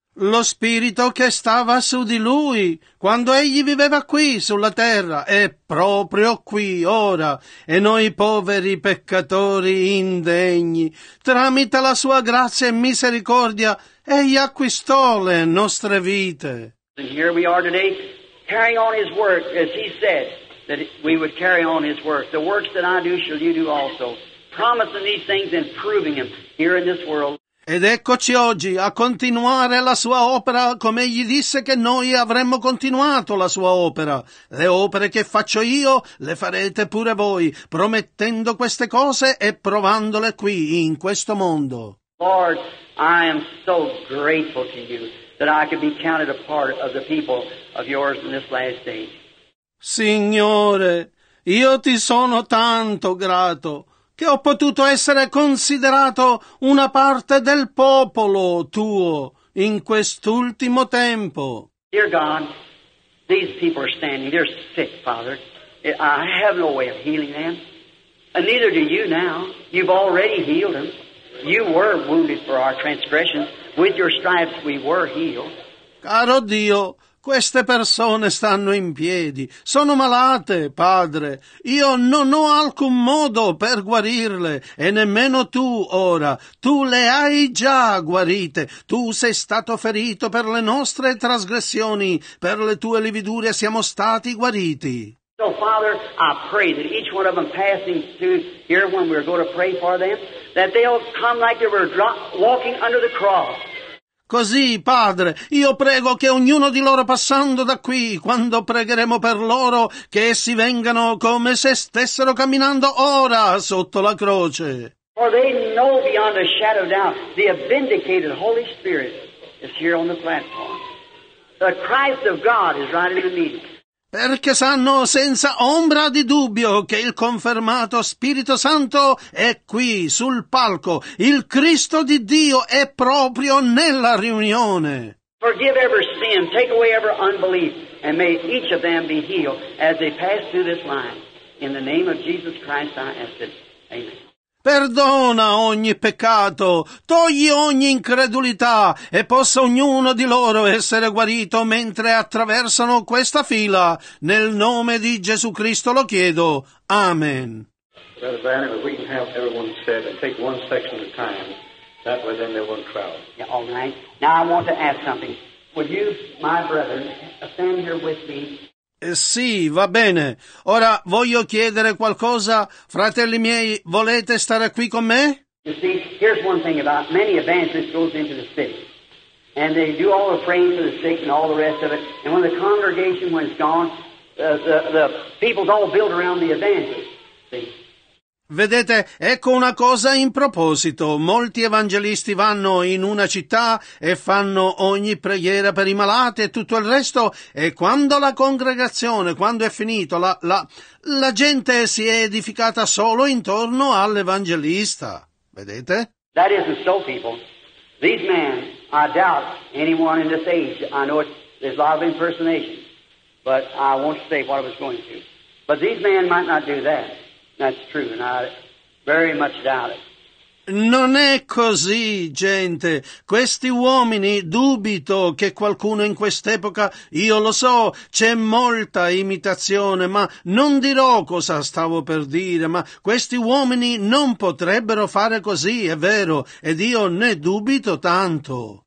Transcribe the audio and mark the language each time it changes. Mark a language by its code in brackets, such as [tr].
[it] Lo Spirito che stava su di lui, quando egli viveva qui sulla terra, è proprio qui ora. E noi poveri peccatori indegni, tramite la sua grazia e misericordia, egli acquistò le nostre vite. [en] And here we are today, carry on his work, as he said that we would carry on his work. The works that I do shall you do also, promising these things and proving them here in this world. [it] Ed eccoci oggi a continuare la sua opera come egli disse che noi avremmo continuato la sua opera. Le opere che faccio io le farete pure voi, promettendo queste cose e provandole qui in questo mondo. [en] Lord, I am so grateful to you that I could be counted a part of the people of yours in this last day. [it] Signore, io ti sono tanto grato che ho potuto essere considerato una parte del popolo tuo in quest'ultimo tempo. [en] Dear God, these people are standing. They're sick, Father. I have no way of healing them. And neither do you now. You've already healed them. You were wounded for our transgressions. With your stripes we were healed. [it] Caro Dio, queste persone stanno in piedi. Sono malate, Padre. Io non ho alcun modo per guarirle, e nemmeno tu ora. Tu le hai già guarite. Tu sei stato ferito per le nostre trasgressioni. Per le tue lividure siamo stati guariti. [en] So, Father, I pray that each one of them passing through here when we're going to pray for them, that they'll come like they were walking under the cross. [it] Così, Padre, io prego che ognuno di loro passando da qui, quando pregheremo per loro, che essi vengano come se stessero camminando ora sotto la croce. [en] For they know beyond a shadow of doubt the vindicated Holy Spirit is here on the platform. The Christ of God is right in the meeting. [it] Perché sanno senza ombra di dubbio che il confermato Spirito Santo è qui, sul palco. Il Cristo di Dio è proprio nella riunione. [en] Forgive every sin, take away every unbelief, and may each of them be healed as they pass through this line. In the name of Jesus Christ, I ask it. Amen. [it] Perdona ogni peccato, togli ogni incredulità e possa ognuno di loro essere guarito mentre attraversano questa fila. Nel nome di Gesù Cristo lo chiedo. Amen. [en] Brother Branham, if we can have everyone sit and take one section at a time, that way then they won't crowd. Yeah, all right. Now I want to ask something. Would you, my brethren, stand here with me? [it] Sì, va bene. Ora voglio chiedere qualcosa. Fratelli miei, volete stare qui con me? [en] You see, here's one thing about many evangelists goes into the city. And they do all the praying for the sick and all the rest of it. And when the congregation was gone, the people all built around the evangelist. See? [it] Vedete, ecco una cosa in proposito. Molti evangelisti vanno in una città e fanno ogni preghiera per i malati e tutto il resto, e quando la congregazione, quando è finito, la gente si è edificata solo intorno all'evangelista. Vedete? [en] That isn't so, people. These men, I doubt anyone in this age. I know there's a lot of impersonation, but I won't say what I was going to. But these men might not do that. That's true, and I very much doubt it. [it] Non è così, gente. Questi uomini, dubito che qualcuno in quest'epoca, io lo so, c'è molta imitazione, ma non dirò cosa stavo per dire, ma questi uomini non potrebbero fare così, è vero, ed io ne dubito tanto.